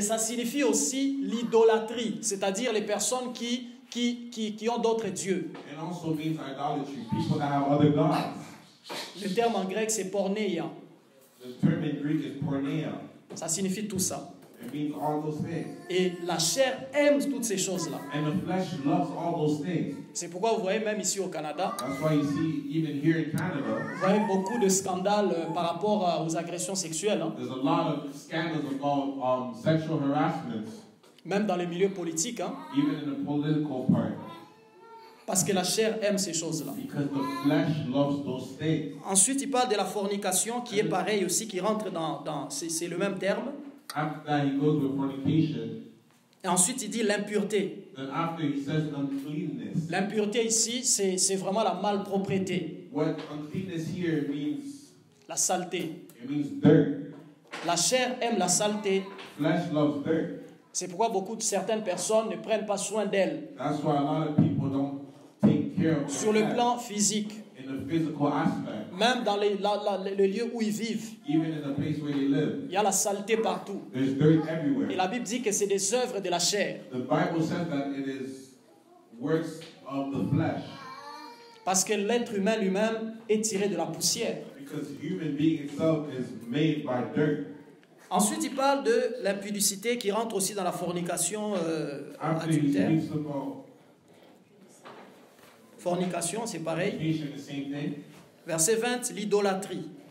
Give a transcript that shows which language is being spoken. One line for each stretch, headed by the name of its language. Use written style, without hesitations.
French: ça signifie aussi l'idolâtrie, c'est-à-dire les personnes qui ont d'autres dieux.
English: It also means idolatry, people that have other gods.
French: Le terme en grec, c'est porneia.
English: The term in Greek is porneia.
French: Ça signifie tout ça.
English: It means all those things.
French: Et la chair aime toutes ces choses-là.
English: And the flesh loves all those things.
French: C'est pourquoi vous voyez même ici au Canada,
English: that's why you see, even here in Canada,
French: vous voyez beaucoup de scandales par rapport aux agressions sexuelles. Hein.
English: There's a lot of scandals about sexual harassment.
French: Même dans les milieux politiques. Hein.
English: Even in the political part.
French: Parce que la chair aime ces choses-là.
English: Because the flesh loves those things.
French: Ensuite, il parle de la fornication qui est pareil aussi, qui rentre dans c'est le même terme.
English: After that, he goes with fornication.
French: Et ensuite, il dit l'impureté.
English: Then after he says uncleanness.
French: L'impureté ici, c'est vraiment la malpropreté.
English: What uncleanness here means,
French: la saleté.
English: It means dirt.
French: La chair aime la saleté.
English: Flesh loves dirt.
French: C'est pourquoi beaucoup de certaines personnes ne prennent pas soin d'elles.
English: That's why a lot of people don't take care of
French: sur le plan physique.
English: In the physical aspect.
French: Même dans le lieu où ils vivent.
English: Even in the place where they live.
French: Il y a la saleté partout.
English: There's dirt everywhere.
French: Et la Bible dit que c'est des œuvres de la chair.
English: The Bible says that it is works of the flesh.
French: Parce que l'être humain lui-même est tiré de la poussière.
English: Because human being itself is made by dirt.
French: Ensuite, il parle de l'impudicité qui rentre aussi dans la fornication adultère. Fornication, c'est pareil. Verset 20, l'idolâtrie.